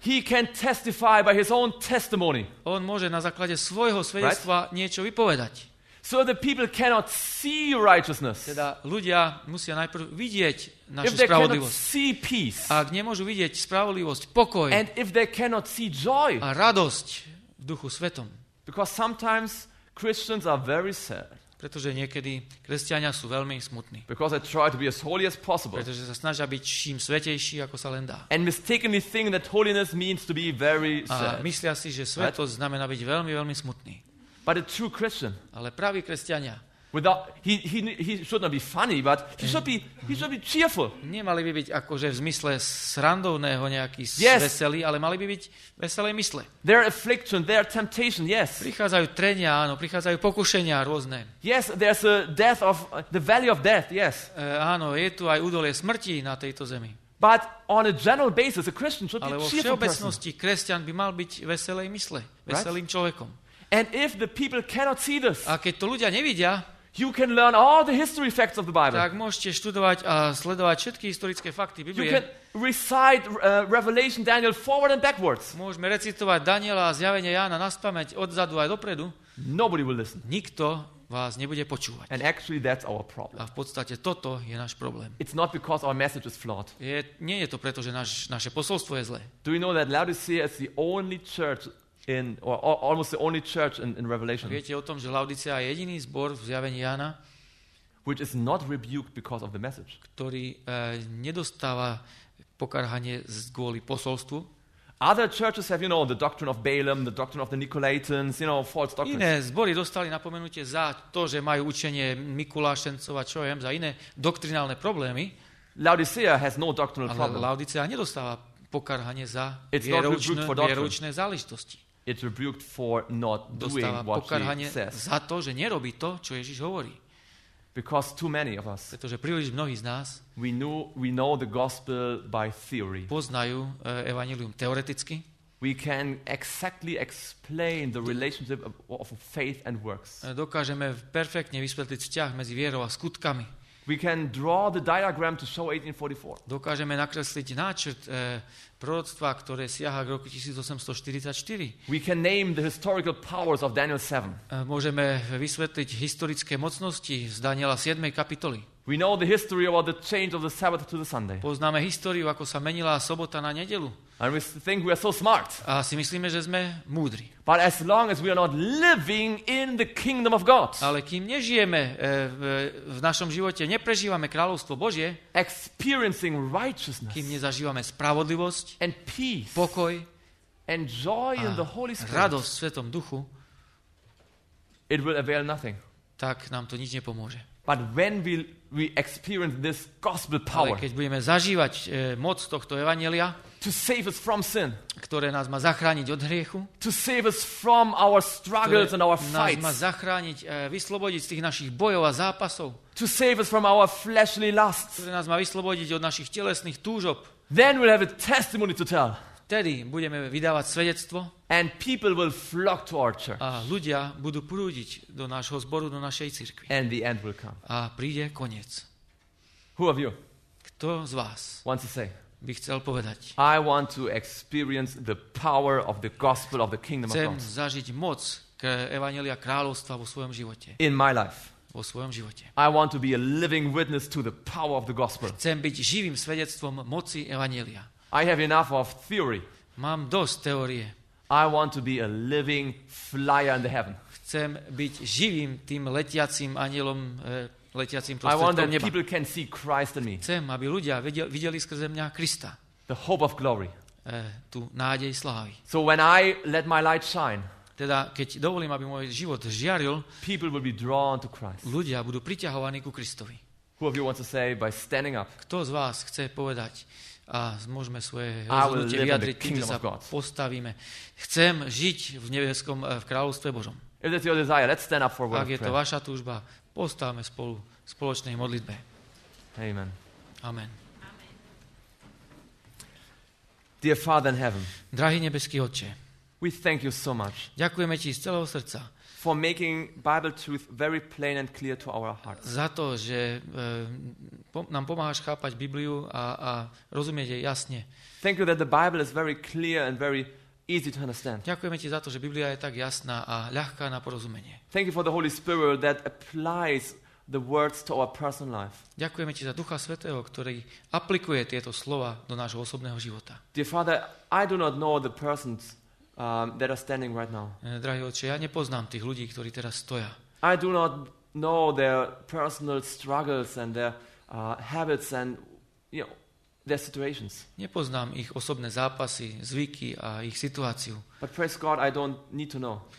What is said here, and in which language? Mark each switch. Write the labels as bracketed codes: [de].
[en] He can testify by his own testimony. [sk] On môže na základe svojho svedectva right? Niečo vypovedať. [en] So the people cannot see your righteousness. [sk] Teda ľudia musia najprv vidieť našu [en] if they [sk] spravodlivosť. [en] Cannot see peace, [sk] ak nemôžu vidieť spravodlivosť, pokoj [en] and if they cannot see joy, [sk] a radosť v Duchu Svetom. [en] Because sometimes Christians are very sad. [sk] Pretože niekedy kresťania sú veľmi smutní. [en] Because they try to be as holy as possible. [sk] Pretože sa snažia byť čím svetejší, ako sa len dá. [en] And mistakenly think that holiness means to be very sad. [sk] A myslia si, že svetosť right? Znamená byť veľmi, veľmi smutný. [en] But a true Christian. [sk] Ale praví kresťania. [en] Without he should not be funny, but he should be cheerful. [sk] Nemali by byť akože v zmysle srandovného nejaký yes. Veselý, ale mali by byť veselej mysle. [en] There are affliction, there are temptation, yes. [sk] Prichádzajú trenia, áno, prichádzajú pokušenia rôzne. [en] Yes, there's a death of the valley of death, yes. [sk] Áno, je tu aj údolie smrti na tejto zemi. [en] But on a general basis a Christian should [sk] ale [en] be cheerful. [sk] Ale vo všeobecnosti kresťan by mal byť veselej mysle, veselým [en] right? [sk] Človekom. [en] And if the people cannot see this, [sk] a keď to ľudia nevidia, [en] You can learn all the history facts of the Bible. [sk] Tak môžete študovať a sledovať všetky historické fakty Biblie. [en] You can recite Revelation Daniel forward and backwards. [sk] Môžeme recitovať Daniela a Zjavenie Jána naspamäť odzadu aj dopredu. [en] Nobody will listen. [sk] Nikto vás nebude počúvať. [en] And actually that's our problem. [sk] A v podstate toto je náš problém. [en] It's not because our message is flawed. [sk] Nie je to preto, že naše posolstvo je zlé. [en] Do you know that Laodicea is the only church in or almost the only church in Revelation. [sk] Viete o tom, že Laodicea je jediný zbor v Zjavení Jána, [en] which is not rebuked because of the message. [sk] Ktorý nedostáva pokarhanie z kvôli posolstvu. [en] Other churches have, you know, the doctrine of Balaam, the doctrine of the Nicolaitans, you know, false doctrines. [sk] Iné zbory dostali napomenutie za to, že majú učenie Mikulášencov a čo viem, za iné doktrinálne problémy. [en] Laodicea has no doctrinal problem. [sk] Ale Laodicea nedostáva pokarhanie za vieroučné záležitosti. [en] It's rebuked for not doing what [sk] pokarhanie [en] he says. [sk] Za to, že nerobí to, čo Ježiš hovorí. [en] Because too many of us. [sk] Pretože príliš mnohí z nás. [en] We know the gospel by theory. [sk] Poznajú evanjelium teoreticky. [en] We can exactly explain the relationship of faith and works. [sk] Dokážeme perfektne vysvetliť vzťah medzi vierou a skutkami. [en] We can draw the diagram to show 1844. [sk] Dokážeme nakresliť náčrt proroctva, ktoré siaha k roku 1844. [en] We can name the historical powers of Daniel 7. [sk] Môžeme vysvetliť historické mocnosti z Daniela 7. kapitoly. [en] We know the history about the change of the Sabbath to the Sunday. [sk] Poznáme históriu, ako sa menila sobota na nedeľu. [en] And we think we are so smart. [sk] A si myslíme, že sme múdri. [en] But as long as we are not living in the kingdom of God. [sk] Ale kým nežijeme v našom živote, neprežívame kráľovstvo Božie, [en] experiencing righteousness. [sk] Kým nezažívame spravodlivosť [en] and peace. [sk] Pokoj [en] and joy in the Holy Spirit. [sk] Radosť v Svätom Duchu. [en] It will avail nothing. [sk] Tak nám to nič nepomôže. [en] But when we experience this gospel power. [sk] Ale keď budeme zažívať moc tohto evanjelia, [en] to save us from sin, [sk] ktoré nás má zachrániť od hriechu, [en] to save us from our struggles and our fights, [sk] ktoré nás má zachrániť, vyslobodiť z tých našich bojov a zápasov, [en] to save us from our fleshly lusts, [sk] ktoré nás má vyslobodiť od našich telesných túžob, [en] then we'll have a testimony to tell, [sk] vtedy budeme vydávať svedectvo, [en] and people will flock to our church, [sk] a ľudia budú prúdiť do nášho zboru, do našej cirkvi, [en] and the end will come, [sk] a príde koniec. [en] Who of you? [sk] Kto z vás [en] wants to say? [sk] By chcel povedať. [en] I want to experience the power of the gospel of the kingdom of God. [sk] Chcem zažiť moc evanjelia kráľovstva vo svojom živote. [en] In my life. [sk] Vo svojom živote. [en] I want to be a living witness to the power of the gospel. [sk] Chcem byť živým svedectvom moci evanjelia. [en] I have enough of theory. [sk] Mám dosť teórie. [en] I want to be a living flyer in the heaven. [sk] Chcem byť živým tým letiacím anjelom letiacím prostredkom neba. [en] I want that people can see Christ in me. [sk] Chcem, aby ľudia videli skrze mňa Krista. [en] The hope of glory. [sk] Tú nádej slávy. [en] So when I let my light shine. [sk] Teda keď dovolím, aby môj život žiaril. [en] People will be drawn to Christ. [sk] Ľudia budú priťahovaní ku Kristovi. [en] Who of you wants to say by standing up? [sk] Kto z vás chce povedať a môžeme svoje rozhodnutie vyjadriť, kým sa postavíme. Chcem žiť v nebeskom v kráľovstve Božom. [en] If that's your desire, let's stand up for one. [sk] Ak je to vaša túžba, postavme spolu v spoločnej modlitbe. [en] Amen. [sk] Amen. [en] Dear Father in heaven. [sk] Drahý nebeský Otče. [en] We thank you so much. [sk] Ďakujeme ti z celého srdca. [en] For making Bible truth very plain and clear to our hearts. [sk] Za to, že nám pomáhaš chápať Bibliu a rozumieť jej jasne. [en] Thank you that the Bible is very clear and very easy to understand. [sk] Ďakujeme ti za to, že Biblia je tak jasná a ľahká na porozumenie. [en] Thank you for the Holy Spirit that applies the words to our personal life. [sk] Ďakujeme ti za Ducha Svätého, ktorý aplikuje tieto slova do nášho osobného života. [en] Dear Father, I do not know the persons that are standing right now. [sk] Drahý Otče, ja nepoznám tých ľudí, ktorí teraz stoja. [en] I do not know their personal struggles and their habits and, you know, their situations. [sk] Nepoznám ich osobné zápasy, zvyky a ich situáciu. [en] But praise God, I don't need to know.